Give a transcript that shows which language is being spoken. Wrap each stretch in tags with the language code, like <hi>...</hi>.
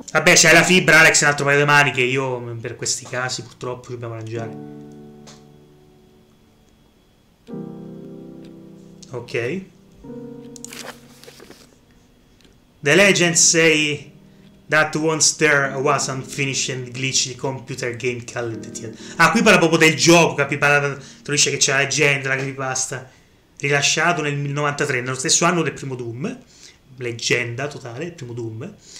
<it>Vabbè, c'è la fibra, Alex, un altro paio di maniche, io per questi casi purtroppo dobbiamo mangiare.</it> <en>Ok, the legend say that once there was an unfinished glitch in computer game called the theater.</en> <it>Ah, qui parla proprio del gioco, capi? Parla, dice che c'è la leggenda, la creepypasta, rilasciato nel 1993, nello stesso anno del primo Doom. Leggenda totale, il primo Doom.</it>